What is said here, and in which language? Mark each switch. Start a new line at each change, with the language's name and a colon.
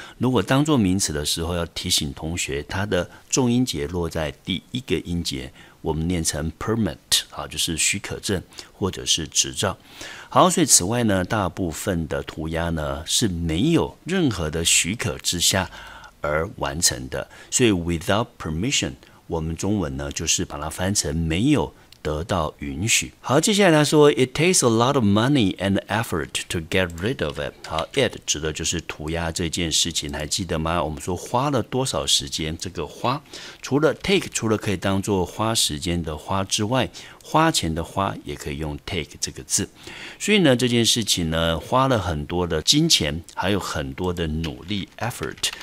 Chinese: 如果当作名词的时候要提醒同学，它的重音节落在第一个音节，我们念成 permit, 好，就是许可证或者是执照。好，所以此外呢大部分的涂鸦呢是没有任何的许可之下而完成的，所以
English: without permission
Chinese: 我们中文呢就是把它翻成没有得到允许。好，接下来他说
English: It takes a lot of money and effort to get rid of it.
Chinese: 好， it 指的就是涂鸦这件事情，还记得吗？我们说花了多少时间，这个花除了 take, 除了可以当作花时间的花之外，花钱的花也可以用 take 这个字。所以呢这件事情呢花了很多的金钱还有很多的努力 effort